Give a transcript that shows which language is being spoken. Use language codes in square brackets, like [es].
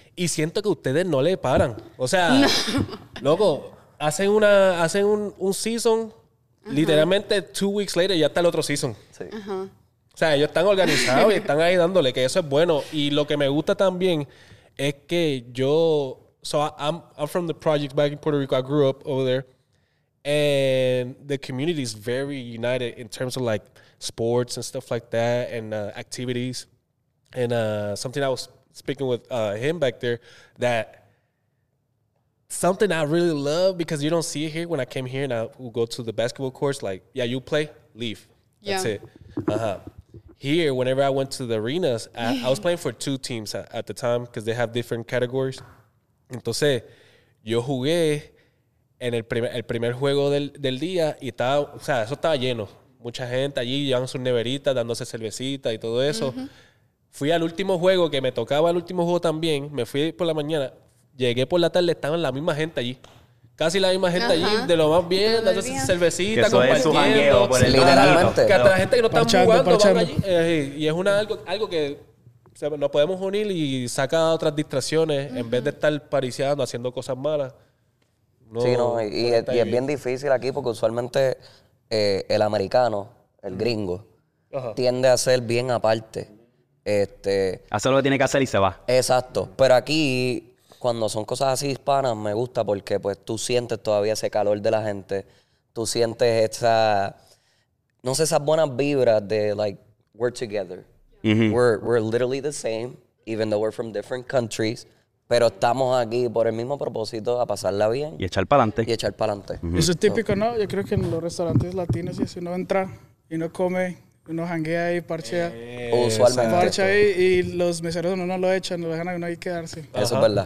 [es] Y siento que ustedes no le paran. O sea, no. Loco, hacen una hacen un season, uh-huh. literalmente 2 weeks later ya está el otro season. Sí. Uh-huh. O sea, ellos están organizados y están ahí dándole, que eso es bueno. Y lo que me gusta también es que yo... [en] So I'm from the project back in Puerto Rico. I grew up over there. And the community is very united in terms of, like, sports and stuff like that and activities. And something I was speaking with him back there, that something I really love, because you don't see it here. When I came here and I would go to the basketball courts, like, yeah, you play, leave. That's yeah. it. Uh-huh. Here, whenever I went to the arenas, I was playing for two teams at the time because they have different categories. [es] Entonces, yo jugué en el primer juego del día y estaba, o sea, eso estaba lleno. Mucha gente allí llevando sus neveritas, dándose cervecita y todo eso. Uh-huh. Fui al último juego, que me tocaba el último juego también. Me fui por la mañana. Llegué por la tarde, estaban la misma gente allí. Casi la misma gente uh-huh. allí, de lo más bien, dándose cervecita, que compartiendo. Que eso es su jangueo, por el literalmente. Que hasta la gente que no está jugando va allí. Y es una, algo que... O sea, nos podemos unir y saca otras distracciones uh-huh. en vez de estar pariciando, haciendo cosas malas. No, sí, no, y es bien difícil aquí porque usualmente el americano, el gringo, uh-huh. tiende a ser bien aparte. Hace lo que tiene que hacer y se va. Exacto. Pero aquí, cuando son cosas así hispanas, me gusta porque pues tú sientes todavía ese calor de la gente. Tú sientes esa, no sé, esas buenas vibras de, like, we're together. Mm-hmm. [en] We're literally the same, even though we're from different countries. [es] Pero estamos aquí por el mismo propósito, a pasarla bien. Y echar pa'lante. Y echar pa'lante. Mm-hmm. Eso es típico, ¿no? Yo creo que en los restaurantes latinos, si uno entra y no come, uno janguea y parchea. Usualmente. Parcha ahí y los meseros no lo echan, no lo dejan a uno ahí quedarse. Ajá. Eso es verdad.